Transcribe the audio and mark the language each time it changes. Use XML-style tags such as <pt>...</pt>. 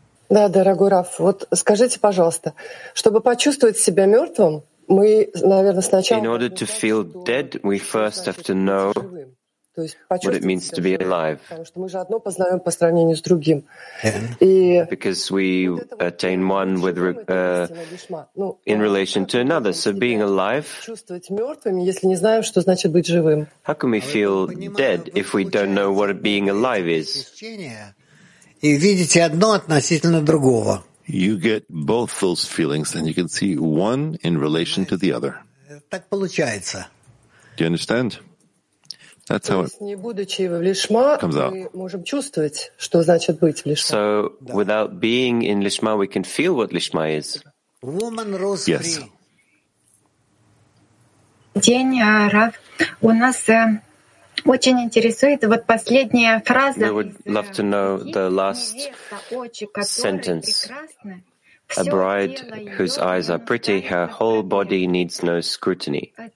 <ru>Да, дорогой Раф, вот скажите, пожалуйста, чтобы почувствовать себя мертвым, мы, наверное, сначала...</ru> <en>In order to feel dead, we first have to know what it means to be alive.</en> <ru>Потому что мы же одно познаем по сравнению с другим.</ru> <en>Because we attain one with in relation to another. So being alive...</en> <ru>Чувствовать мертвым, если не знаем, что значит быть живым.</ru> <en>How can we feel dead if we don't know what being alive is?</en> <ru>И видите одно относительно другого.</ru> <en>You get both those feelings, and you can see one in relation to the other.</en> <ru>Так получается.</ru> <en>Do you understand? That's how it comes out.</en> <ru>Можем чувствовать, что значит быть лишма.</ru> <en>So,</en> <ru>да.</ru> <en>Without being in лишма, we can feel what лишма is. Woman, Rose. Yes.</en> <ru>День, Рав. У нас очень интересует вот последняя фраза.</ru> <en>We would love to know the last sentence. A bride whose eyes are pretty, her whole body needs no scrutiny.</en>